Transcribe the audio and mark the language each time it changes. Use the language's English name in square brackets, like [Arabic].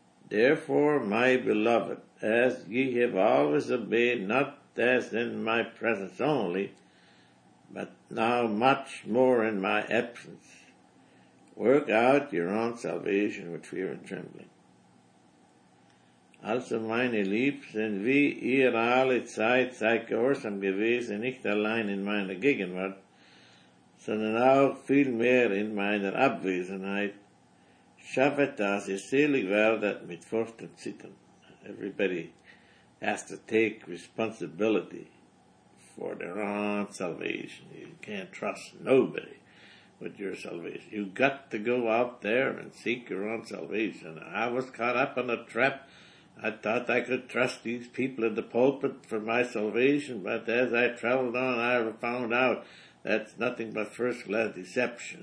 [English] Therefore, my beloved, as ye have always obeyed, not as in my presence only, but now much more in my absence, work out your own salvation with fear and trembling. [German] Also, meine Liebsten, wie ihr alle Zeit seid gehorsam gewesen, nicht allein in meiner Gegenwart, sondern auch vielmehr in meiner Abwesenheit, schaffet, dass ihr selig werdet mit Furcht und Zittern. [English] Everybody has to take responsibility for their own salvation. You can't trust nobody with your salvation. You got to go out there and seek your own salvation. I was caught up in a trap. I thought I could trust these people in the pulpit for my salvation, but as I traveled on, I found out that's nothing but first-class deception.